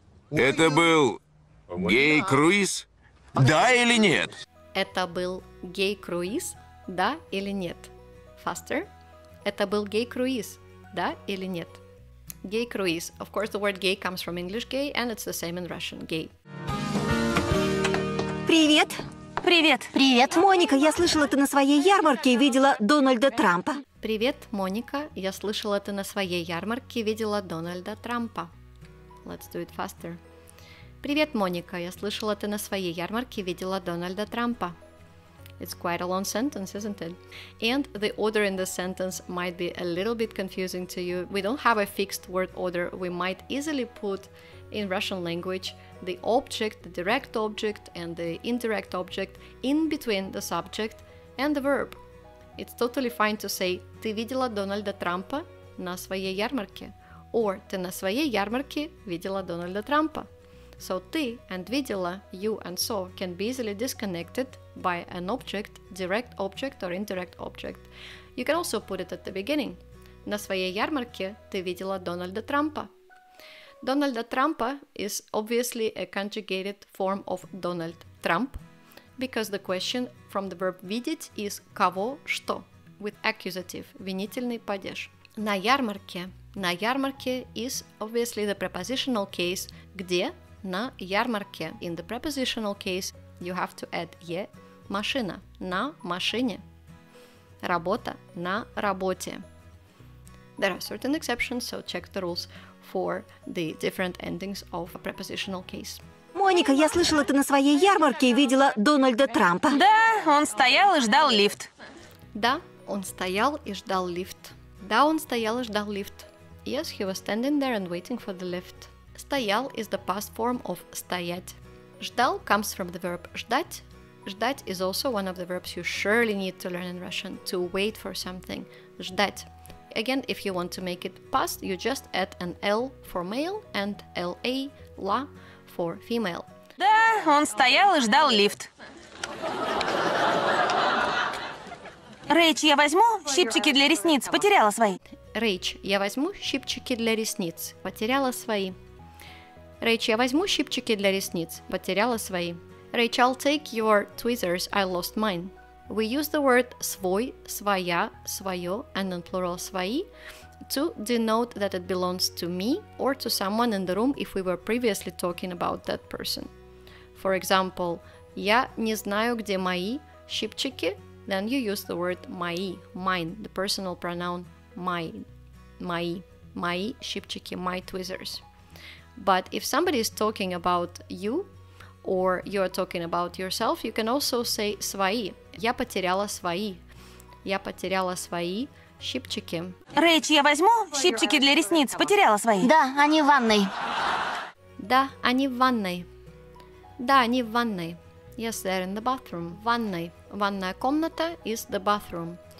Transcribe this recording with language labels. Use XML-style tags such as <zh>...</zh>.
<ru>Это был гей-круиз? Да или нет? Это был гей-круиз? Да или нет?</ru> <en>Faster.</en> <ru>Это был гей-круиз? Да или нет?</ru> <en>Gay cruise. Of course, the word gay comes from English gay, and it's the same in Russian gay.</en> <ru>Привет! Привет! Привет! Моника, я слышала, ты на своей ярмарке видела Дональда Трампа. Привет, Моника, я слышала, ты на своей ярмарке видела Дональда Трампа.</ru> <en>Let's do it faster.</en> <ru>Привет, Моника, я слышала, ты на своей ярмарке видела Дональда Трампа.</ru> <en>It's quite a long sentence, isn't it? And the order in the sentence might be a little bit confusing to you. We don't have a fixed word order. We might easily put in Russian language the object, the direct object, and the indirect object in between the subject and the verb. It's totally fine to say</en> <ru>«Ты видела Дональда Трампа на своей ярмарке?» or «Ты на своей ярмарке видела Дональда Трампа?»</ru> <en>So «ты» and «видела», «you» and «so» can be easily disconnected by an object, direct object or indirect object. You can also put it at the beginning.</en> <ru>«На своей ярмарке ты видела Дональда Трампа?»</ru> <en>Дональда Трампа is obviously a conjugated form of Donald Trump, because the question from the verb видеть is кого что with accusative, винительный падеж. На ярмарке is obviously the prepositional case, где на ярмарке. In the prepositional case, you have to add е, машина, на машине, работа, на работе. There are certain exceptions, so check the rules for the different endings of a prepositional case.</en> <ru>Моника, я слышала, ты на своей ярмарке видела Дональда Трампа. Да, он стоял и ждал лифт. Да, он стоял и ждал лифт. Да, он стоял и ждал лифт.</ru> <en>Yes, he was standing there and waiting for the lift. Стоял is the past form of стоять. Ждал comes from the verb ждать. Ждать is also one of the verbs you surely need to learn in Russian, to wait for something.</en> <ru>Ждать.</ru> <en>Again, if you want to make it past, you just add an L for male and LA, la, for female.</en> <ru>Да, он стоял и ждал лифт. Рэйч, я возьму щипчики для ресниц, потеряла свои. Рэйч, я возьму щипчики для ресниц, потеряла свои. Рэйч, я возьму щипчики для ресниц, потеряла свои.</ru> <en>Рэйч, I'll take your tweezers, I lost mine. We use the word «свой», «своя», «своё», and in plural «свои» to denote that it belongs to me or to someone in the room if we were previously talking about that person. For example,</en> <ru>«я не знаю, где мои щипчики»,</ru> <en>then you use the word «мои», «mine», the personal pronoun «my», «мои», «мои щипчики», «my tweezers». But if somebody is talking about you, or you're talking about yourself, you can also say «свои».</en> <ru>Я потеряла свои. Я потеряла свои щипчики. Рэйч, я возьму щипчики для ресниц. Потеряла свои. Да, они в ванной. Да, они в ванной. Да, они в ванной.</ru> <en>Yes, they're in the bathroom. Ванной. Ванная комната is the bathroom.</en>